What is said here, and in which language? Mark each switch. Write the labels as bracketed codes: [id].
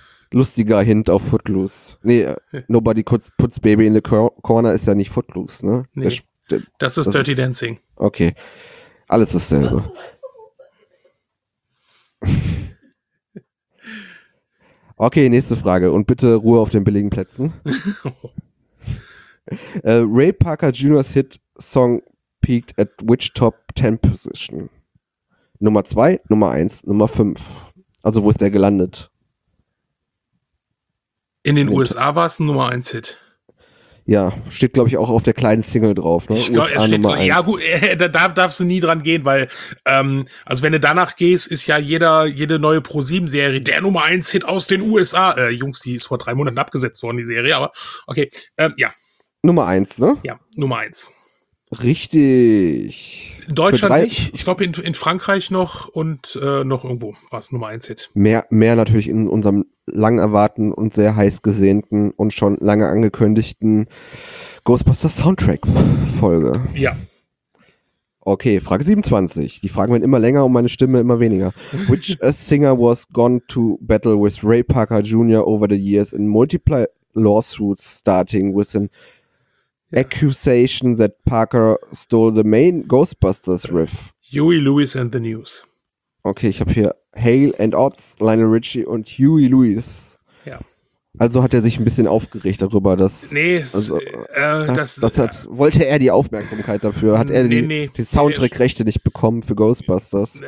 [de] Lustiger Hint auf Footloose. Nee, [en] nobody puts Baby in the corner [de] ist ja nicht Footloose, ne? Nee, das ist Dirty Dancing. Okay, alles dasselbe. Okay, nächste Frage. Und bitte Ruhe auf den billigen Plätzen. [en] Ray Parker Jr.'s Hit-Song peaked at which top 10 position? [de] Nummer 2, Nummer 1, Nummer 5. Also wo ist der gelandet? In den USA war es ein Nummer 1 Hit. Ja, steht glaube ich auch auf der kleinen Single drauf. Ne? Ich glaub, USA Nummer 1. Ja gut, da darfst du nie dran gehen, weil also wenn du danach gehst, ist ja jede neue ProSieben-Serie der Nummer 1 Hit aus den USA. Jungs, die ist vor 3 Monaten abgesetzt worden, die Serie, aber okay, ja. Nummer 1, ne? Ja, Nummer 1. Richtig. Deutschland nicht. Ich glaube, in Frankreich noch und noch irgendwo war es Nummer 1 Hit. Mehr natürlich in unserem lang erwarteten und sehr heiß gesehnten und schon lange angekündigten Ghostbusters Soundtrack-Folge. Ja. Okay, Frage 27. Die Fragen werden immer länger und meine Stimme immer weniger. [en] Which a singer was gone to battle with Ray Parker Jr. over the years in multiple lawsuits starting with an accusation that Parker stole the main Ghostbusters riff. [de] Huey Lewis and the News. Okay, ich habe hier Hale and Oates, Lionel Richie und Huey Lewis. Ja. Also hat er sich ein bisschen aufgeregt darüber, dass... Nee, also, das hat, wollte er die Aufmerksamkeit dafür? Hat er die Soundtrack-Rechte nicht bekommen für Ghostbusters?